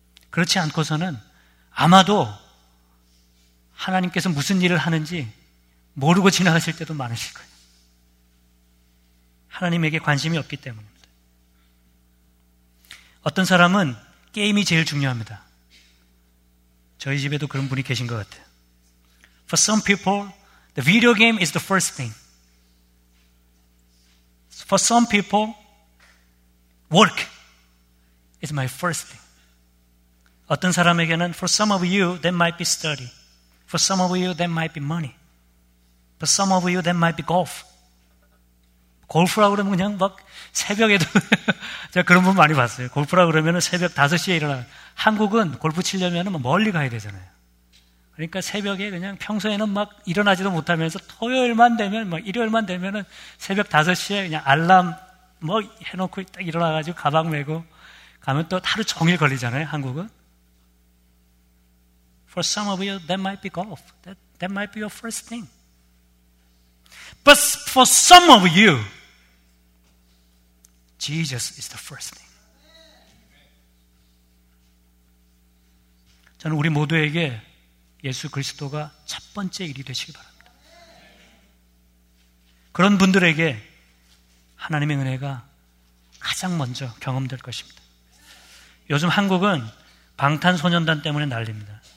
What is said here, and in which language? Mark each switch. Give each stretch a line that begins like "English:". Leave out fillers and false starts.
Korean: 그렇지 않고서는 아마도 하나님께서 무슨 일을 하는지 모르고 지나가실 때도 많으실 거예요. 하나님에게 관심이 없기 때문입니다. 어떤 사람은 게임이 제일 중요합니다. 저희 집에도 그런 분이 계신 것 같아요.
English: For some people, the video game is the first thing. For some people, work is my first thing.
Korean: 어떤 사람에게는
English: for some of you, that might be study. For some of you, that might be money. For some of you, that might be golf.
Korean: 골프라고 그러면 그냥 막 새벽에도 제가 그런 분 많이 봤어요. 골프라고 그러면 새벽 5시에 일어나. 한국은 골프 치려면 멀리 가야 되잖아요. 그러니까 새벽에 그냥 평소에는 막 일어나지도 못하면서 토요일만 되면, 막 일요일만 되면은 새벽 5시에 그냥 알람 뭐 해놓고 딱 일어나가지고 가방 메고 가면 또 하루 종일 걸리잖아요, 한국은.
English: For some of you, that might be golf. That might be your first thing. But for some of you, Jesus is the first thing.
Korean: 저는 우리 모두에게 예수 그리스도가 첫 번째 일이 되시길 바랍니다. 그런 분들에게 하나님의 은혜가 가장 먼저 경험될 것입니다. 요즘 한국은 방탄소년단 때문에 난리입니다.